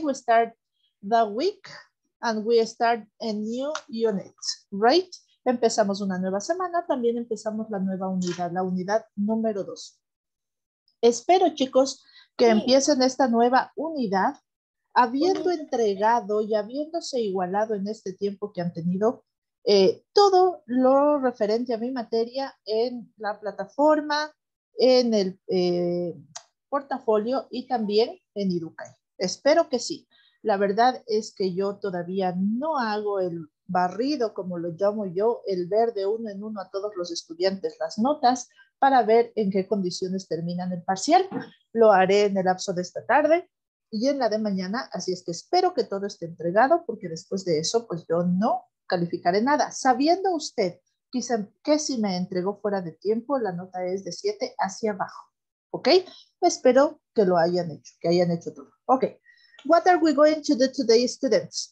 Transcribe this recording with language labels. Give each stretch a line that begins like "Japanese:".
English: We start the week and we start a new unit, right?
Spanish: Empezamos una nueva semana. También empezamos la nueva unidad, la unidad número 2. Espero, chicos, que empiecen esta nueva unidad habiendo entregado y habiéndose igualado en este tiempo que han tenido todo lo referente a mi materia en la plataforma, en el portafolio y también en Educai. Espero que sí. La verdad es que yo todavía no hago el barrido, como lo llamo yo, el ver de uno en uno a todos los estudiantes las notas para ver en qué condiciones terminan el parcial. Lo haré en el lapso de esta tarde y en la de mañana, así es que espero que todo esté entregado, porque después de eso, pues yo no calificaré nada. Sabiendo usted quizá que si me entregó fuera de tiempo, la nota es de 7 hacia abajo, ¿ok? Espero que lo hayan hecho, que hayan hecho todo. Ok.
English: What are we going to do today, students?